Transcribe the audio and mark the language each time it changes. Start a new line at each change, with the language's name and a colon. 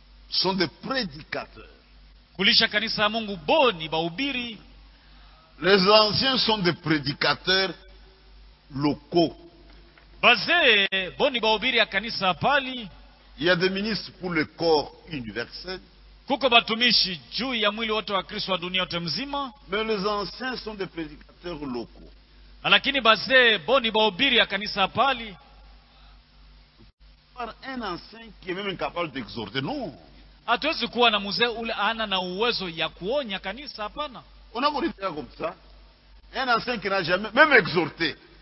French: Ce sont des prédicateurs.
Swahili: Kulisha kanisa ya Mungu boni baubiri.
French: Les anciens sont des prédicateurs locaux.
Swahili: Baze boni baubiri ya kanisa pali.
French: Il y a des ministres pour le corps universel.
Swahili: Kuko batumishi juu ya mwili wote wa Kristo wa dunia yote mzima.
French: Mais les anciens sont des prédicateurs locaux.
Swahili: Lakini baze boni baubiri ya kanisa pali.
French: Par un ancien qui est même incapable d'exhorter, non.
Swahili: Atuwezi kuwa na mzee ule ana na uwezo ya kuonya kanisa, hapana. Unavyoniambia
French: comme ça. Un ancien qui n'a jamais même exhorté.